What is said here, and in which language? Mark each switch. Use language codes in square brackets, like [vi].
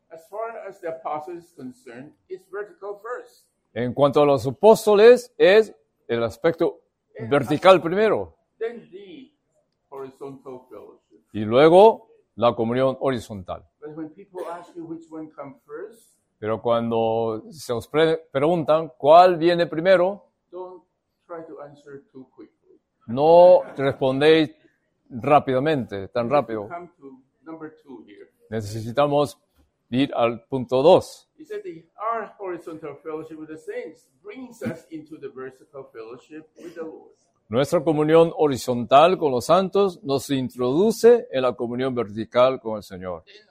[en] As far as the apostles concerned, it's vertical first. [es] En cuanto a los apóstoles, es el aspecto vertical primero. [en] Then the horizontal fellowship. [es] Y luego la comunión horizontal. [en] But when people ask you which one comes first, [es] pero cuando se os preguntan cuál viene primero, [en] don't try to answer too quickly. [es] No respondéis rápidamente, tan rápido. [en] Come to number two here. [es] Necesitamos ir al punto 2. [en] He said that our horizontal fellowship with the saints brings us into the vertical fellowship with the Lord. [es] Nuestra comunión horizontal con los santos nos introduce en la comunión vertical con el Señor.